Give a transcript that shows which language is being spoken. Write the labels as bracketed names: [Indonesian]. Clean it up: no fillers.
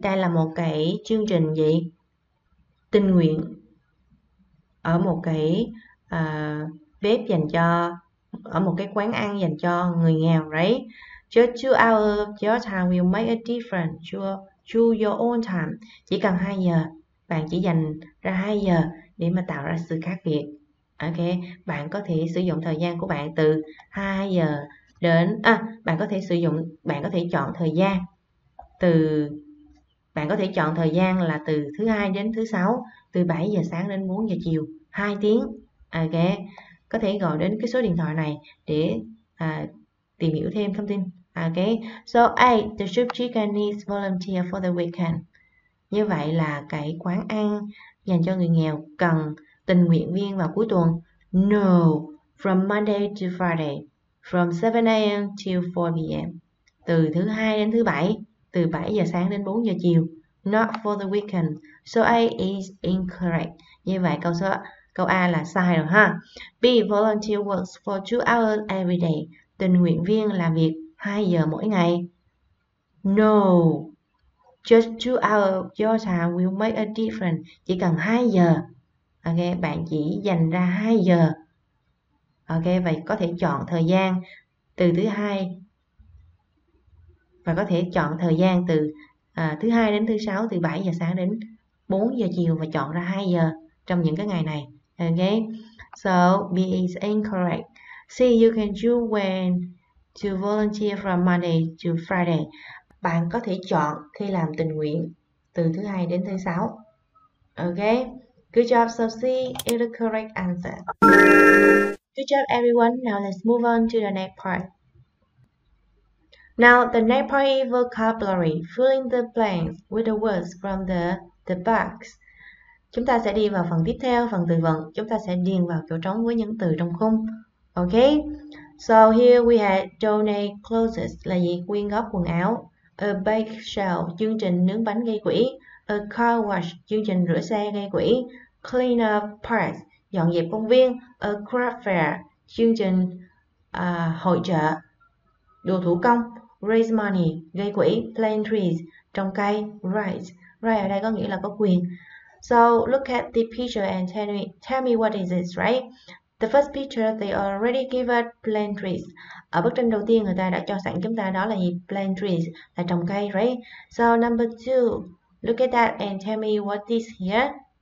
[Vietnamese] Đây là một cái chương trình gì? Tình nguyện ở một cái bếp dành cho, ở một cái quán ăn dành cho người nghèo, right? [English] Just 2 hours of your time will make a difference. Choose your own time. [Vietnamese] Chỉ cần 2 giờ, bạn chỉ dành ra 2 giờ để mà tạo ra sự khác biệt. Ok, bạn có thể sử dụng thời gian của bạn từ 2 giờ đến, bạn có thể chọn thời gian từ, bạn có thể chọn thời gian là từ thứ hai đến thứ sáu, từ 7 giờ sáng đến 4 giờ chiều, 2 tiếng. Ok, có thể gọi đến cái số điện thoại này để tìm hiểu thêm thông tin. [English] Ok, so A, the soup chicken needs volunteer for the weekend. [Vietnamese] Như vậy là cái quán ăn dành cho người nghèo cần tình nguyện viên vào cuối tuần. [English] No, from Monday to Friday, from 7 a.m. till 4 p.m. [Vietnamese] Từ thứ hai đến thứ bảy, từ 7 giờ sáng đến 4 giờ chiều. [English] Not for the weekend. So A is incorrect. [Vietnamese] Như vậy câu A là sai rồi ha. [English] B, volunteer works for 2 hours every day. [Vietnamese] Tình nguyện viên làm việc 2 giờ mỗi ngày. [English] No, just 2 hours of your time will make a difference. [Vietnamese] Chỉ cần 2 giờ. Ok, bạn chỉ dành ra 2 giờ. Ok, vậy có thể chọn thời gian từ thứ hai, và có thể chọn thời gian từ thứ hai đến thứ sáu, từ 7 giờ sáng đến 4 giờ chiều, và chọn ra 2 giờ trong những cái ngày này. [English] Ok, so B is incorrect. C, you can choose when to volunteer from Monday to Friday. [Vietnamese] Bạn có thể chọn khi làm tình nguyện từ thứ hai đến thứ sáu. [English] Ok, good job. So C is the correct answer. Good job everyone. Now let's move on to the next part. Now the next part is vocabulary, filling the blanks with the words from the box. [Vietnamese] Chúng ta sẽ đi vào phần tiếp theo, phần từ vựng. Chúng ta sẽ điền vào chỗ trống với những từ trong khung. [English] Ok, so here we have donate clothes [Vietnamese] là gì? Quyên góp quần áo. [English] A bake sale, [Vietnamese] chương trình nướng bánh gây quỹ. [English] A car wash, [Vietnamese] chương trình rửa xe gây quỹ. [English] Clean up park, [Vietnamese] dọn dẹp công viên. [English] A craft fair, [Vietnamese] chương trình hội chợ. Đồ thủ công, [English] raise money, [Vietnamese] gây quỹ. [English] Plant trees, [Vietnamese] trồng cây. [English] Right, right [Vietnamese] ở đây có nghĩa là có quyền. [English] So look at the picture and tell me what is this, right? The first picture, they already give us plant trees. [Vietnamese] Ở bức tranh đầu tiên người ta đã cho sẵn chúng ta đó là gì? [English] Plant trees, [Vietnamese] là trồng cây, [English] right? So number two, look at that and tell me what this here.